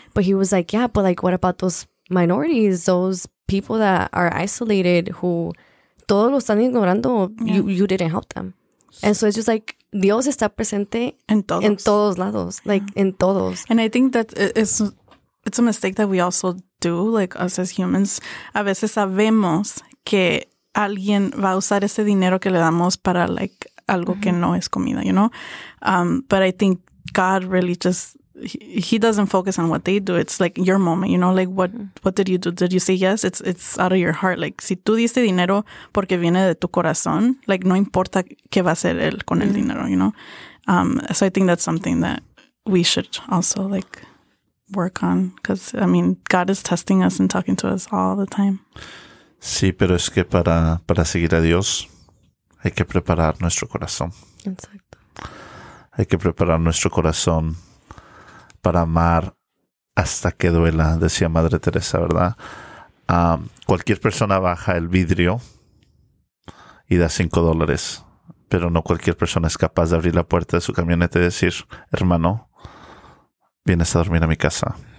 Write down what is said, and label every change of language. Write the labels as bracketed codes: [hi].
[en] But he was like, yeah, but like, what about those minorities, those people that are isolated, who [es] todos lo están ignorando? [en] Yeah. You didn't help them. And so it's just like, [es] Dios está presente en todos lados, like yeah. en todos. [en] And I think that it's a mistake that we also do, like us as humans. [es] A veces sabemos que alguien va a usar ese dinero que le damos para like algo mm-hmm. que no es comida, you know? [en] But I think God really just, he doesn't focus on what they do. It's like your moment, you know, like what did you do? Did you say yes? It's out of your heart. [es] Like, si tú diste dinero porque viene de tu corazón, like, no importa qué va a hacer él con el dinero, you know? [en] So I think that's something that we should also like work on. Cause I mean, God is testing us and talking to us all the time. [es] Sí, pero es que para seguir a Dios hay que preparar nuestro corazón. Exacto. Hay que preparar nuestro corazón para amar hasta que duela, decía Madre Teresa, ¿verdad? Cualquier persona baja el vidrio y da $5, pero no cualquier persona es capaz de abrir la puerta de su camioneta y decir, hermano, vienes a dormir a mi casa.